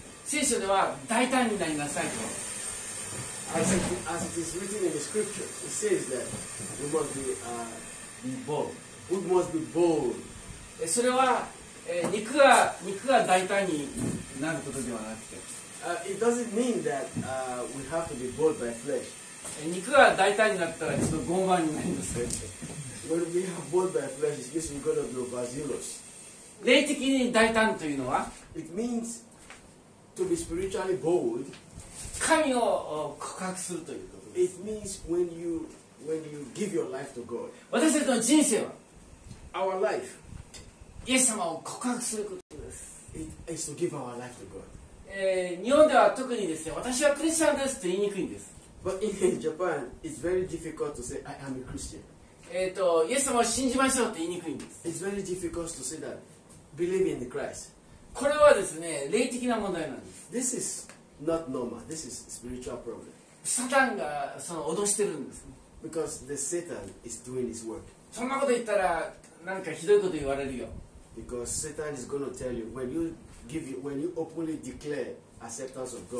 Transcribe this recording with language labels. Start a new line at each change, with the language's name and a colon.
Japanese: 聖書では大胆になりなさいと。
English: As it is written in the scripture, it says that we must be bold. We must be bold.
Japanese: それは、肉が大胆になることではなくて。
English: It doesn't mean that we have to be bold by flesh.
Japanese: 肉が大胆になったらちょっと傲慢になりますね。
English: When we are bold by flesh, it's because we're going to be bazillos.
Japanese: 霊的に大胆というのは、
English: it means to be spiritually bold.
Japanese: 神を告白するということです。
English: It means when you give your life to God.
Japanese: 私たちの人生は、
English: our life,
Japanese: イエス様を告白することです。
English: It is to give our life to God.
Japanese: 日本では特にですね、私はクリスチャンですと言いにくいんです。
English: But in Japan, it's very difficult to say, I am a Christian.
Japanese: イエス様を信じましょうと言いにくいんです。
English: It's very difficult to say that, believe in the Christ.
Japanese: これはですね、霊的な問題なんです。
English: This is not normal, this is spiritual problem.
Japanese: サタンがその脅してるんです。
English: Because the Satan is doing his work.
Japanese: そんなこと言ったら、なんかひどいこと言われるよ。
English: Because Satan is going to tell you, when youWhen you openly declare acceptance of God,